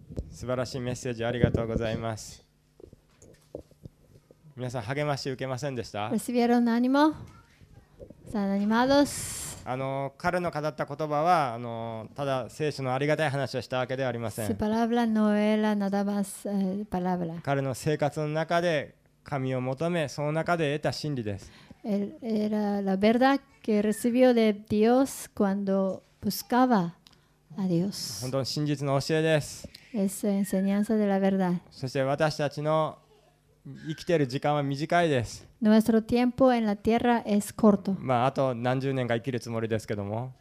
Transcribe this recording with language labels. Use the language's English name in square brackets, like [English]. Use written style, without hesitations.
[Japanese] 素晴らしいメッセージありがとうございます。皆さん励まし受けませんでした？ [Spanish] Recibieron ánimo? ¿Están animados? [Japanese] 彼の語った言葉はただ聖書のありがたい話をしたわけではありません。 [Spanish] Su palabra no era nada más palabra. [Japanese] 彼の生活の中で神を求め、その中で得た真理です。 [Spanish] Era la verdad que recibió de Dios cuando buscaba a Dios. [Japanese] 本当に真実の教えです。 [Spanish] Es enseñanza de la verdad. [Japanese] そして私たちの生きている時間は短いです。 [Spanish] Nuestro tiempo en la tierra es corto. [Japanese] まあ、あと何十年か生きるつもりですけども。